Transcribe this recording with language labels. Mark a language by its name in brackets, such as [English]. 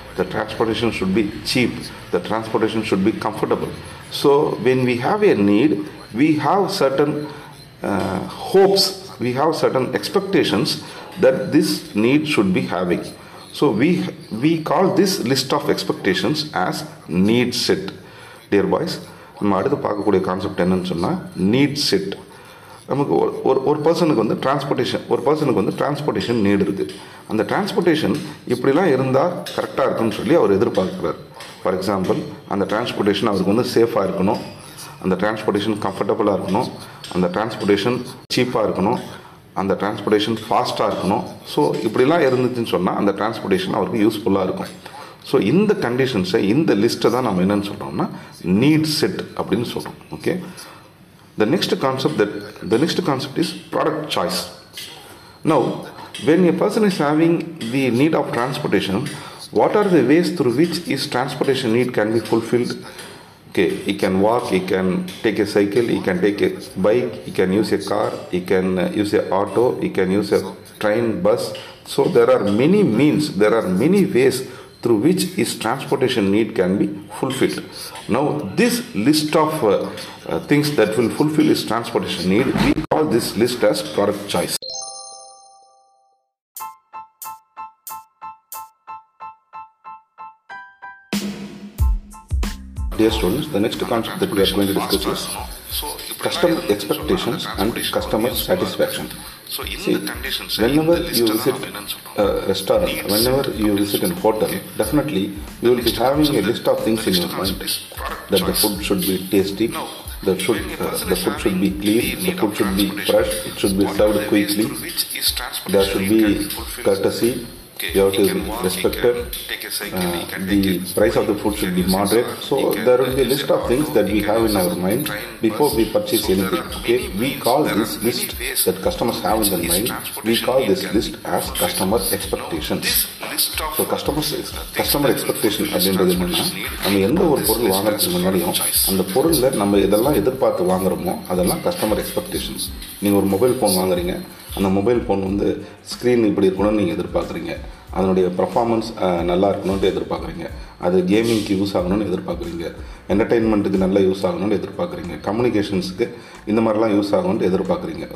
[English] The transportation should be cheap. The transportation should be comfortable. So when we have a need, we have certain hopes, we have certain expectations that this need should be having. So we call this list of expectations as need set. [Tamil] Dear boys, அடுத்து பார்க்கக்கூடிய concept என்னன்னு சொன்னால் NEET set. நமக்கு ஒரு பர்சனுக்கு வந்து transportation need இருக்குது. அந்த டிரான்ஸ்போர்ட்டேஷன் இப்படிலாம் இருந்தால் கரெக்டாக இருக்குன்னு சொல்லி அவர் எதிர்பார்க்குறார். [English] for example, [Tamil] அந்த டிரான்ஸ்போர்ட்டேஷன் அவருக்கு வந்து சேஃபாக இருக்கணும், அந்த டிரான்ஸ்போர்ட்டேஷன் கம்ஃபர்டபுளாக இருக்கணும், அந்த டிரான்ஸ்போர்ட்டேஷன் சீப்பாக இருக்கணும், அந்த டிரான்ஸ்போர்ட்டேஷன் ஃபாஸ்ட்டாக இருக்கணும். ஸோ இப்படிலாம் இருந்துச்சுன்னு சொன்னால் அந்த டிரான்ஸ்போர்ட்டேஷன் அவருக்கு யூஸ்ஃபுல்லாக இருக்கும். ஸோ இந்த கண்டிஷன்ஸை, இந்த லிஸ்ட்டை தான் நம்ம என்னென்னு சொல்கிறோம்னா நீட் செட் அப்படின்னு சொல்கிறோம். [English] Okay, the next concept, the next concept is product choice. Now when a person is having the need of transportation, what are the ways through which is transportation need can be fulfilled? Okay, he can walk, he can take a cycle, he can take a bike, he can use a car, he can use a auto, he can use a train, bus. So there are many means, there are many ways through which his transportation need can be fulfilled. Now this list of things that will fulfill his transportation need, we call this list as product choice. Dear students, the next concept that we are going to discuss is customer expectations and customer satisfaction. See, whenever you visit a restaurant, whenever you visit a hotel, definitely you will be having a list of things in your mind, that the food should be tasty, the food should be clean, the food should be fresh, it should be served quickly, there should be courtesy, you have to be respected, the price of the food should be moderate. So there will be a list of things that we have in our mind before we purchase anything. Okay, we call this list that customers have in their mind, we call this list as customer expectations. [Tamil] So customer expectation அப்படின்றது என்னன்னா, நம்ம எந்த ஒரு பொருள் வாங்குறதுக்கு முன்னாடியும் அந்த பொருளில் நம்ம இதெல்லாம் எதிர்பார்த்து வாங்குறோமோ அதெல்லாம் கஸ்டமர் எக்ஸ்பெக்டேஷன்ஸ். நீங்கள் ஒரு மொபைல் ஃபோன் வாங்குறீங்க, அந்த மொபைல் ஃபோன் வந்து ஸ்க்ரீன் இப்படி இருக்கணும்னு நீங்கள் எதிர்பார்க்குறீங்க, அதனுடைய பர்ஃபார்மன்ஸ் நல்லா இருக்கணும்ட்டு எதிர்பார்க்குறீங்க, அது கேமிங்க்கு யூஸ் ஆகணும்னு எதிர்பார்க்குறீங்க, என்டர்டெயின்மெண்ட்டுக்கு நல்லா யூஸ் ஆகணும்னு எதிர்பார்க்குறீங்க, கம்யூனிகேஷன்ஸுக்கு இந்த மாதிரிலாம் யூஸ் ஆகணும்னு எதிர்பார்க்குறீங்க.